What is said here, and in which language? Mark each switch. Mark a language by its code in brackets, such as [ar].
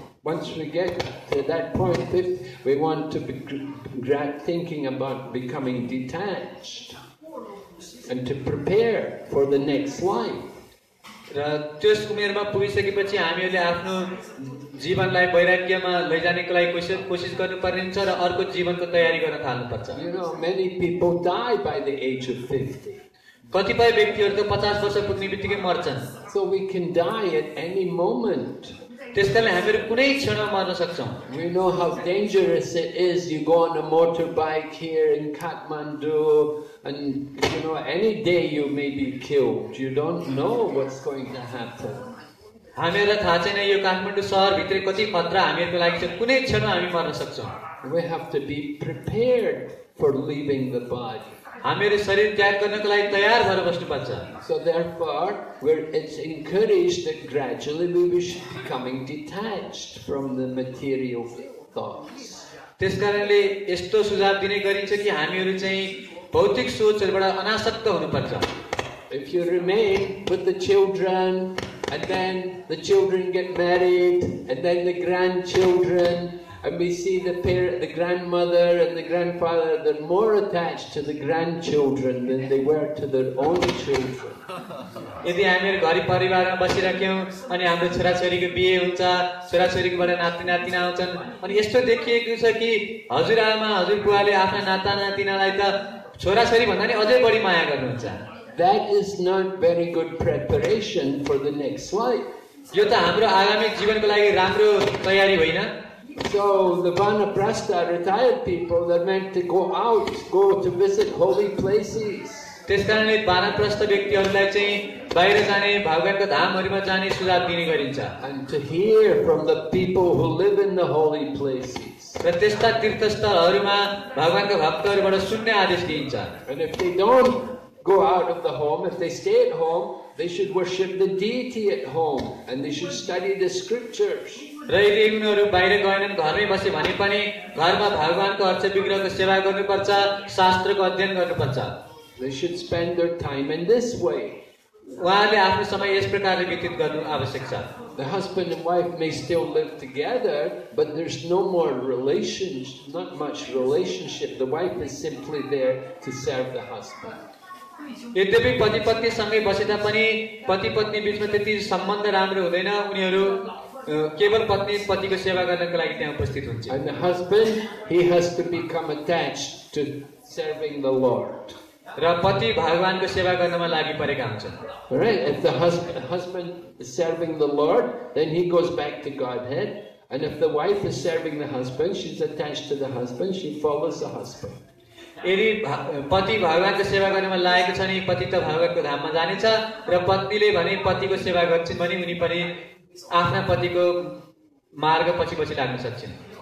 [en] Once we get to that point, if we want to be thinking about becoming detached and to prepare for the next life, [ne] र त्यस उमेरमा पुगिसकेपछि हामीहरूले आफ्नो जीवनलाई वैराग्यमा लैजानेको लागि कोसिस गर्नुपर्ने हुन्छ र अर्को जीवनको तयारी गर्न थाल्नुपर्छ. [en] You know, many people die by the age of 50. [ne] कतिपय व्यक्तिहरू त 50 वर्ष पुग्ने बित्तिकै मर्छन्. [en] So we can die at any moment. [ne] त्यसकारण हामीहरू कुनै क्षणमा मर्न सक्छौँ. [en] We know how dangerous it is. You go on a motorbike here in Kathmandu, and you know, any day you may be killed. You don't know what's going to happen. [ne] हामीहरू थाहा छैन यो काठमाडौँ शहर भित्र कति खतरा हामीहरूको लागि छ. कुनै क्षणमा हामी मर्न सक्छौँ. [en] We have to be prepared for leaving the body. [ne] हामीहरू शरीर त्याग गर्नको लागि तयार भएर बस्नुपर्छ. [en] So therefore, it's encouraged that gradually we should be becoming detached from the material thoughts. [ne] त्यसकारणले यस्तो सुझाव दिने गरिन्छ कि हामीहरू चाहिँ भौतिक सोचहरूबाट अनासक्त हुनुपर्छ. [en] If you remain with the children, and then the children get married, and then the grandchildren, and we see the parent, the grandmother and the grandfather, they're more attached to the grandchildren than they were to their own children. [ne] यदि हामी घर परिवारमा बसिराख्यौँ अनि हाम्रो छोराछोरीको बिहे हुन्छ, छोराछोरीको बाट नाति नातिना आउँछन्, अनि यस्तो देखिएको छ कि हजुरआमा हजुरबुवाले आफ्ना नाता नातिनालाई त छोराछोरी भन्दा नि अझै बढी माया गर्नुहुन्छ. [en] That is not very good preparation for the next life. [ne] यो त हाम्रो आगामी जीवनको लागि राम्रो तयारी होइन. [en] So the vanaprastha retired people, they're meant to go out, go to visit holy places. [ne] त्यसकारणले वानप्रस्थ व्यक्तिहरूलाई चाहिँ बाहिर जाने, भगवानको धामहरूमा जाने सुझाव दिने गरिन्छ. [en] And to hear from the people who live in the holy places. [ne] र त्यस्ता तीर्थस्थलहरूमा भगवानका भक्तहरूबाट सुन्ने आदेश दिइन्छ. [en] And if they don't go out of the home. If they stay at home, they should worship the deity at home and they should study the scriptures. They should spend their time in this way. The husband and wife may still live together, but there's no more relationship, not much relationship. The wife is simply there to serve the husband. [ne] यद्यपि पति पत्नी सँगै बसेता पनि पति पत्नी बीचमा त्यति सम्बन्ध राम्रो हुँदैन उनीहरू केवल पत्नी पतिको सेवा गर्नको लागि त्यहाँ उपस्थित हुन्छ [en] and the husband he has to become attached to serving the lord [ne] र पति भगवानको सेवा गर्नमा लागि परेका हुन्छन् [en] right if the husband is serving the lord then he goes back to godhead and if the wife is serving the husband she's attached to the husband she follows the husband [ne] यदि पति भगवानको सेवा गर्नमा लागेको छ नि पति त भगवानको धाममा जानेछ र पत्नीले भने पतिको सेवा गर्छिन् भने उनी पनि आफ्ना पतिको मार्ग पछि पछि लाग्न सक्छिन्